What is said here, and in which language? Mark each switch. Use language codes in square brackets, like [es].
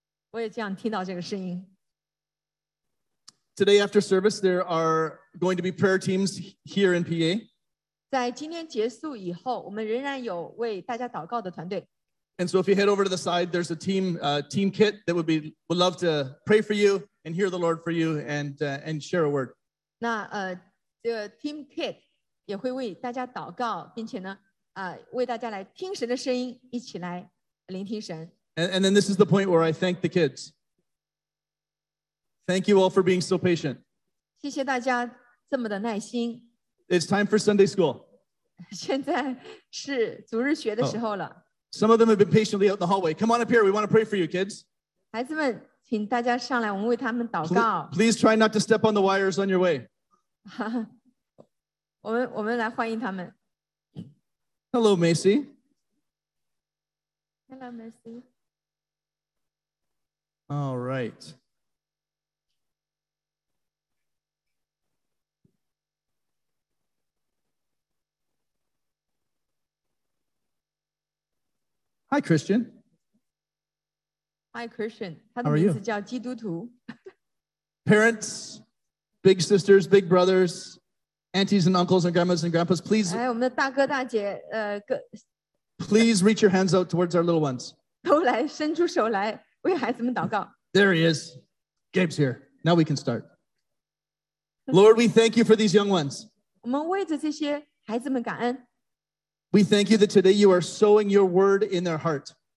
[zh] 我也这样听到这个声音。 [en] Today after service, there are going to be prayer teams here in PA. [zh] 在今天结束以后，我们仍然有为大家祷告的团队。 [en] And so if you head over to the side, there's a team kit that would love to pray for you and hear the Lord for you and share a word. [zh] 那, team kit 也会为大家祷告,并且呢, 为大家来听神的声音,一起来聆听神。 [en] And then this is the point where I thank the kids. Thank you all for being so patient. [zh] 谢谢大家这么的耐心。 [en] It's time for Sunday school. [zh] 现在是主日学的时候了。 [en] Oh. Some of them have been patiently out in the hallway. Come on up here. We want to pray for you, kids. [zh] 孩子们,请大家上来,我们为他们祷告。 [en] Please try not to step on the wires on your way. [zh] 我们来欢迎他们。 [en] Hello, Macy. Hello, Macy. All right. Hi, Christian. Hi, Christian. How are you? His name is 基督徒. Parents, big sisters, big brothers, aunties and uncles and grandmas and grandpas, please. [zh] 来，我们的大哥大姐， [en] Please reach your hands out towards our little ones. [zh] 都来伸出手来为孩子们祷告。 [en] There he is. Gabe's here. Now we can start. Lord, we thank you for these young ones. [zh] 我们为着这些孩子们感恩。 [en] We thank you that today you are sowing your word in their heart.